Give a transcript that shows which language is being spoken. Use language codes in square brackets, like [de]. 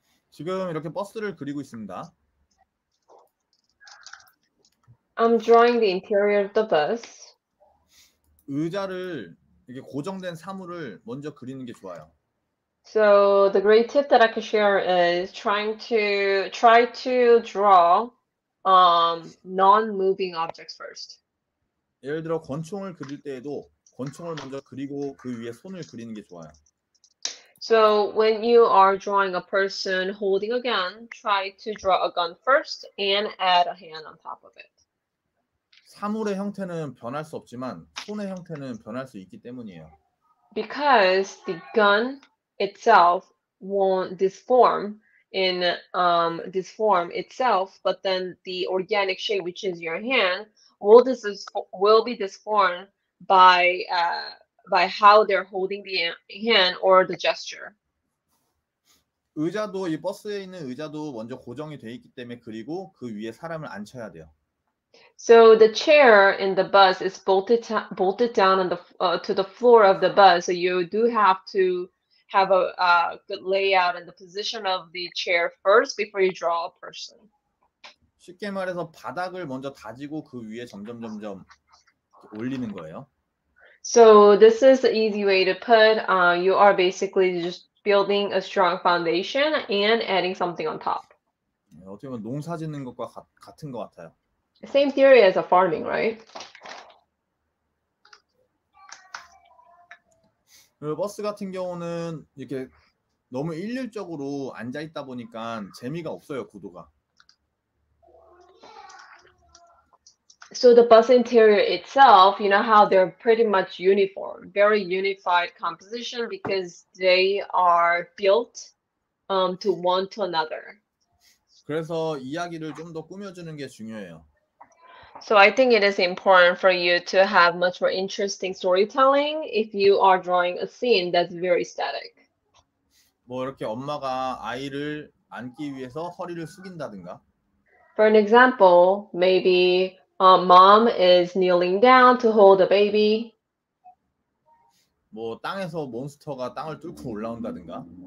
[ko] 지금 이렇게 버스를 그리고 있습니다. [en] I'm drawing the interior of the bus. [ko] 의자를 이렇게 고정된 사물을 먼저 그리는 게 좋아요. [en] So the great tip that I can share is try to draw non-moving objects first. [ko] 예를 들어 권총을 그릴 때에도 권총을 먼저 그리고 그 위에 손을 그리는 게 좋아요. [en] So when you are drawing a person holding a gun, try to draw a gun first and add a hand on top of it. [ko] 사물의 형태는 변할 수 없지만 손의 형태는 변할 수 있기 때문이에요. [en] Because the gun itself won't disform, in this form itself, but then the organic shape, which is your hand, will be disformed by how they're holding the hand or the gesture. [ko] 의자도 이 버스에 있는 의자도 먼저 고정이 돼 있기 때문에 그리고 그 위에 사람을 앉혀야 돼요. [en] So the chair in the bus is bolted down on the to the floor of the bus. So you do have to have a good layout and the position of the chair first before you draw a person. [ko] 쉽게 말해서 바닥을 먼저 다지고 그 위에 점점 올리는 거예요. [en] So this is the easy way to put. You are basically just building a strong foundation and adding something on top. [ko] 어떻게 보면 농사 짓는 것과 같은 것 같아요. [en] Same theory as a farming, right? [ko] 버스 같은 경우는 이렇게 너무 일률적으로 앉아 있다 보니까 재미가 없어요, 구도가. [en] So the bus interior itself, you know how they're pretty much uniform, very unified composition because they are built to one to another. [ko] 그래서 이야기를 좀 더 꾸며주는 게 중요해요. [en] So I think it is important for you to have much more interesting storytelling if you are drawing a scene that's very static. [ko] 뭐 이렇게 엄마가 아이를 안기 위해서 허리를 숙인다든가. [en] For an example, maybe mom is kneeling down to hold a baby. [ko] 뭐 땅에서 몬스터가 땅을 뚫고 올라온다든가.